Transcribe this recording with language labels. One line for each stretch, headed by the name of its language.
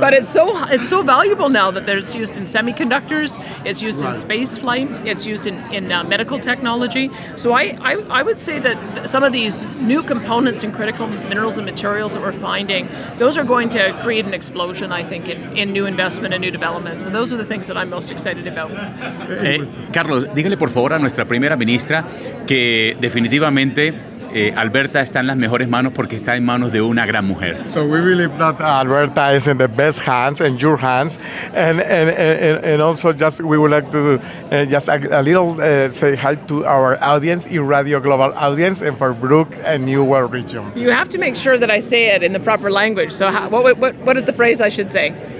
English: But it's so valuable now that it's used in semiconductors, it's used in space flight, it's used in medical technology. So I would say that some of these new components and critical minerals and materials that we're finding, those are going to create an explosion, I think, in new investment and new developments. And those are the things that I'm most excited about.
Spanish: Carlos, dígale por favor a nuestra primera ministra que definitivamente Alberta está en las mejores manos porque está en manos de una gran mujer.
English: So we believe that Alberta is in the best hands, in your hands, and also just we would like to just a little say hi to our audience, eRadio Global audience, and for Brooke and New World Region. You have to make sure that I say it in the proper language. So what is the phrase I should say?